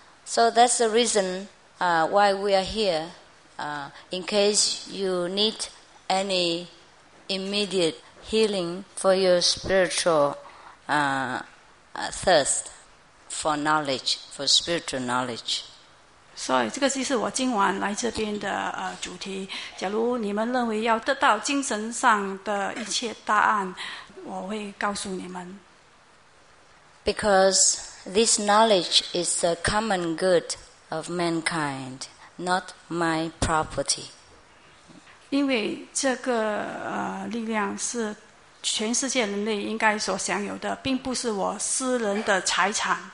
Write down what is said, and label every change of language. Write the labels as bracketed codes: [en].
[en] So that's the reason why we are here. In case you need any immediate healing for your spiritual thirst for knowledge, for spiritual knowledge. [zh] 所以这个就是我今晚来这边的主题。假如你们认为要得到精神上的一切答案，我会告诉你们。 [en] Because this knowledge is the common good of mankind, not my property. [zh] 因为这个力量是全世界人类应该所享有的，并不是我私人的财产。